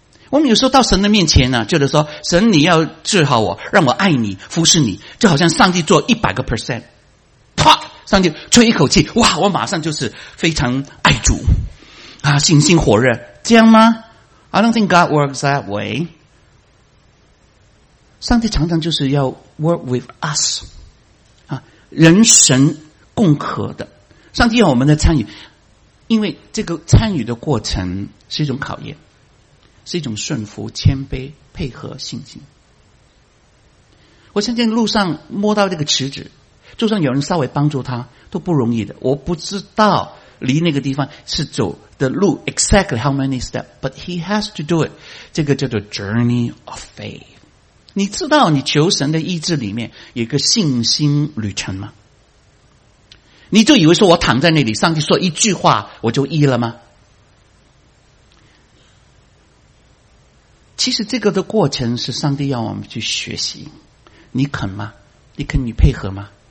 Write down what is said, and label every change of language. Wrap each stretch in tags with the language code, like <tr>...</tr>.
<zh>我们有时候到神的面前呢，就是说神你要治好我，让我爱你服侍你，就好像上帝做100%，啪上帝吹一口气，哇我马上就是非常爱主啊，信心火热，这样吗？</zh> <en>I don't think God works that way。</en> <zh>上帝常常就是要</zh> <en>work with us</en> <zh>啊，人神共合的，上帝要我们的参与，因为这个参与的过程是一种考验，是一种顺服、谦卑、配合、信心。我相信路上摸到这个池子，就算有人稍微帮助他都不容易的。我不知道离那个地方是走的路</zh> <en>exactly how many steps， but he has to do it，</en> <zh>这个叫做</zh> <en>journey of faith。</en> <zh>你知道你求神的意志里面有一个信心旅程吗？你就以为说我躺在那里上帝说一句话我就医了吗？其实这个的过程是上帝要我们去学习，你肯吗？你肯你配合吗？</zh>